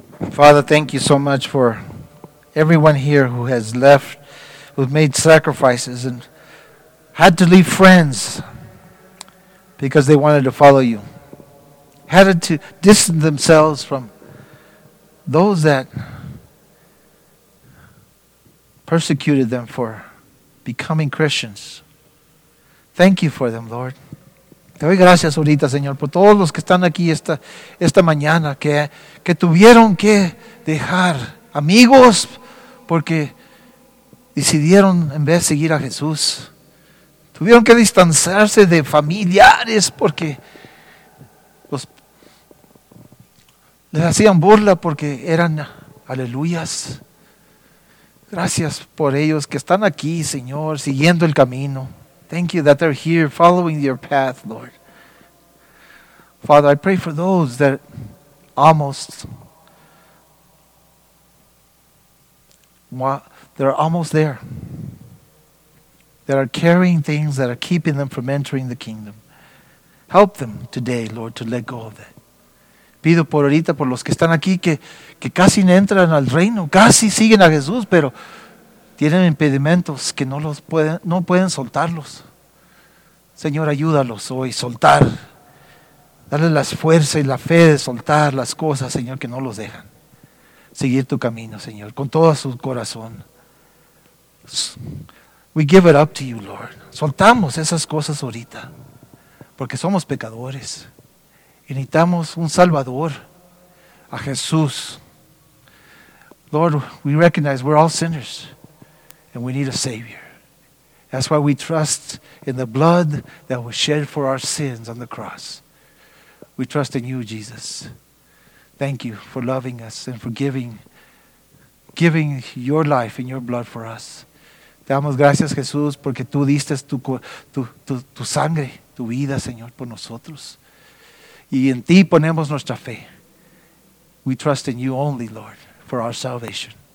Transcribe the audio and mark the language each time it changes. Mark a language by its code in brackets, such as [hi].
[en] Father, thank you so much for everyone here who has left, who made sacrifices and had to leave friends because they wanted to follow you. Had to distance themselves from those that persecuted them for becoming Christians. Thank you for them, Lord. [es] Te doy gracias ahorita, Señor, por todos los que están aquí esta mañana que tuvieron que dejar amigos porque decidieron en vez de seguir a Jesús. Tuvieron que distanciarse de familiares porque les hacían burla porque eran aleluyas. Gracias por ellos que están aquí, Señor, siguiendo el camino. [en] Thank you that they're here following your path, Lord. Father, I pray for those that almost there, that are carrying things that are keeping them from entering the kingdom. Help them today, Lord, to let go of that. [es] Pido por ahorita por los que están aquí que casi no entran al reino, casi siguen a Jesús, pero tienen impedimentos que no pueden soltarlos. Señor, ayúdalos hoy a soltar. Dale las fuerzas y la fe de soltar las cosas, Señor, que no los dejan. Seguir tu camino, Señor, con todo su corazón. [en] We give it up to you, Lord. [es] Soltamos esas cosas ahorita, porque somos pecadores. Y necesitamos un Salvador, a Jesús. [en] Lord, we recognize we're all sinners, and we need a Savior. That's why we trust in the blood that was shed for our sins on the cross. We trust in you, Jesus. Thank you for loving us and for giving your life and your blood for us. [es] Te damos gracias, Jesús, porque tú diste tu sangre, tu vida, Señor, por nosotros. Y en ti ponemos nuestra fe. [en] We trust in you only, Lord, for our salvation.